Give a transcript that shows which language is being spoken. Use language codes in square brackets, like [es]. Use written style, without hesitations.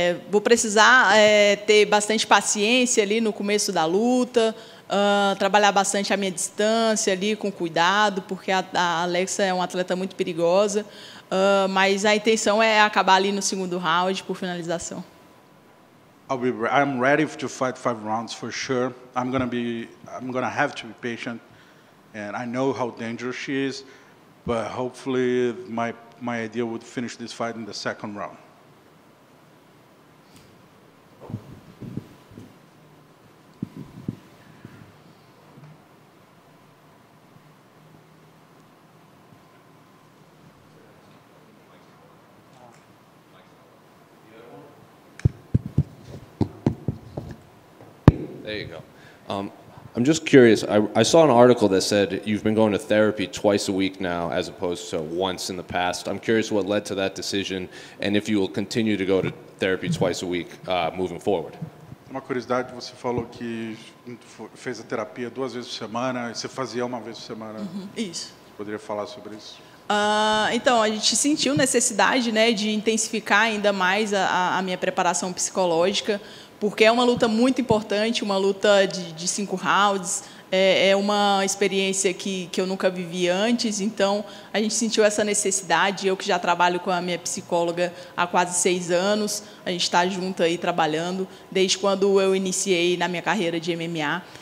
[pt] Vou precisar ter bastante paciência ali no começo da luta, trabalhar bastante a minha distância ali com cuidado, porque a Alexa é uma atleta muito perigosa. Mas a intenção é acabar ali no segundo round, por finalização. [en] I'm ready to fight 5 rounds for sure. I'm gonna have to be patient, and I know how dangerous she is, but hopefully my idea would finish this fight in the second round. I'm just curious. I saw an article that said you've been going to therapy twice a week now as opposed to once in the past. I'm curious what led to that decision and if you will continue to go to therapy twice a week moving forward. [pt] Uma curiosidade, você falou que fez a terapia duas vezes por semana e você fazia uma vez por semana. Isso. Poderia falar sobre isso? Então, a gente sentiu necessidade, né, de intensificar ainda mais a minha preparação psicológica, porque é uma luta muito importante, uma luta de 5 rounds, é uma experiência que eu nunca vivi antes, então a gente sentiu essa necessidade, eu que já trabalho com a minha psicóloga há quase 6 anos, a gente está junto aí trabalhando, desde quando eu iniciei na minha carreira de MMA,